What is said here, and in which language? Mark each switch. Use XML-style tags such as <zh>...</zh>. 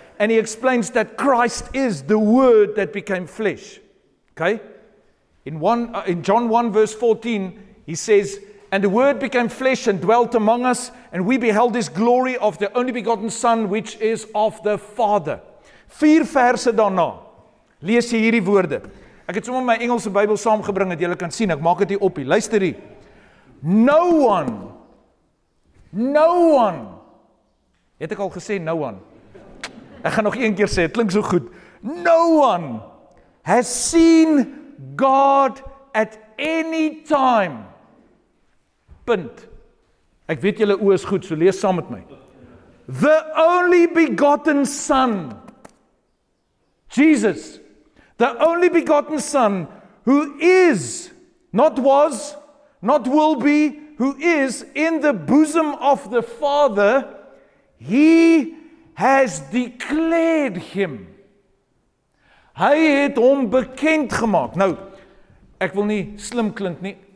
<en>And he explains that Christ is the Word that became flesh. Okay? In John 1, verse 14, he says, and the Word became flesh and dwelt among us, and we beheld his glory of the only begotten Son, which is of the Father.</en> <af>Vier verse daarna, lees jy hierdie woorde. Ek het sommer my Engelse Bybel saamgebring, dat julle kan sien, ek maak het hier op. Luister hier.</af> <en>No one,</en> <af>het ek al gesê,</af> <en>no one.</en> <af>Ek gaan nog een keer sê, het klink so goed.</af> <en>No one has seen God at any time. Punt.</en> <af>Ek weet julle oë is goed, so lees saam met my.</af> <en>The only begotten Son, Jesus, the only begotten Son, who is, not was, not will be, who is in the bosom of the Father, he has declared him.</en> <af>Hy het hom bekend gemaak. Nou, ek wil nie slim klink nie.</af>